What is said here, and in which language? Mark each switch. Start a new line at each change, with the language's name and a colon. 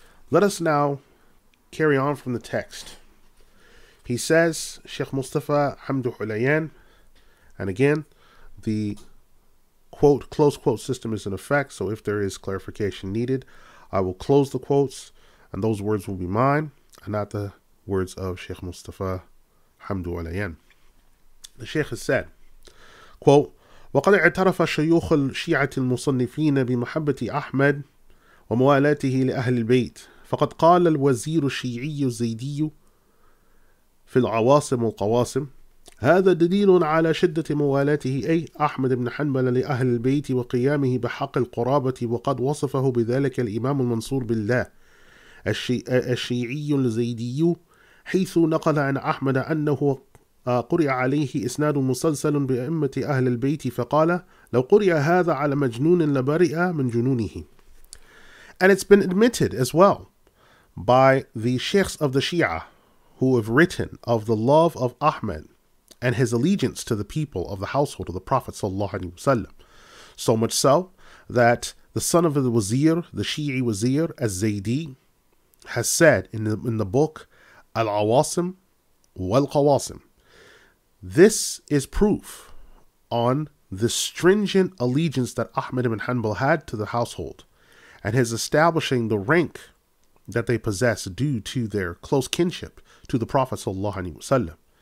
English: Let us now carry on from the text. He says, Sheikh Mustafa Hamdu Ulayan, and again, the quote, close quote system is in effect, so if there is clarification needed, I will close the quotes, and those words will be mine, and not the words of Sheikh Mustafa Hamdu Ulayan. The Sheikh has said, quote,
Arabic: وقد اعترف شيوخ الشيعة المصنفين بمحبة أحمد وموالاته لأهل البيت فقد قال الوزير الشيعي الزيدي في العواصم والقواسم هذا دليل على شدة موالاته أي أحمد بن حنبل لأهل البيت وقيامه بحق القرابة وقد وصفه بذلك الإمام المنصور بالله الشيعي الزيدي حيث نقل عن أحمد أنه قرئ عليه إسناد مسلسل بأئمة أهل البيت فقال لو قرئ هذا على مجنون لبرئ من جنونه.
English: And it's been admitted as well by the sheikhs of the Shia who have written of the love of Ahmed and his allegiance to the people of the household of the Prophet sallallahu alaihi wasallam. So much so that the son of the wazir, the Shi'i wazir, Az-Zaydi, has said in the book Al-Awasim wal-Qawasim, this is proof on the stringent allegiance that Ahmed ibn Hanbal had to the household and his establishing the rank that they possess due to their close kinship to the Prophet sallallahu alaihi wasallam.